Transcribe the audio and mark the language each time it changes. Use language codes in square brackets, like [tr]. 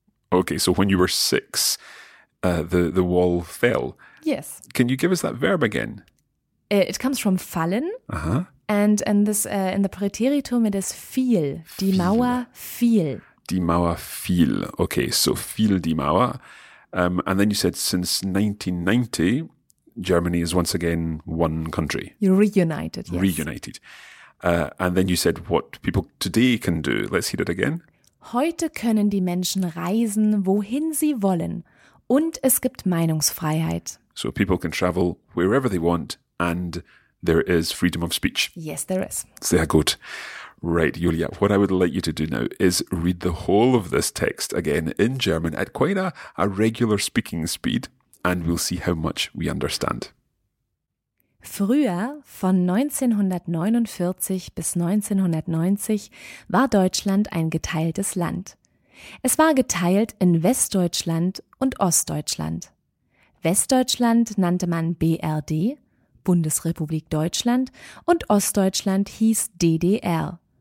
[en] Okay, so when you were 6, the wall fell. Yes. Can you give us that verb again? It comes from fallen. Uh-huh. And this in the Präteritum it is fiel. [de] Die Mauer fiel. Die Mauer fiel. Okay, so fiel die Mauer. [en] And then you said since 1990, Germany is once again one country. Reunited, yes. Reunited. And then you said what people today can do. Let's hear it again. [de] Heute können die Menschen reisen, wohin sie wollen. Und es gibt Meinungsfreiheit. [en] So people can travel wherever they want. And there is freedom of speech. Yes, there is. [de] Sehr gut. [en] Right, Julia, what I would like you to do now is read the whole of this text again in German at quite a regular speaking speed and we'll see how much we understand. [de] Früher, von 1949 bis 1990, war Deutschland ein geteiltes Land. Es war geteilt in Westdeutschland und Ostdeutschland. Westdeutschland nannte man BRD, Bundesrepublik Deutschland, und Ostdeutschland hieß DDR.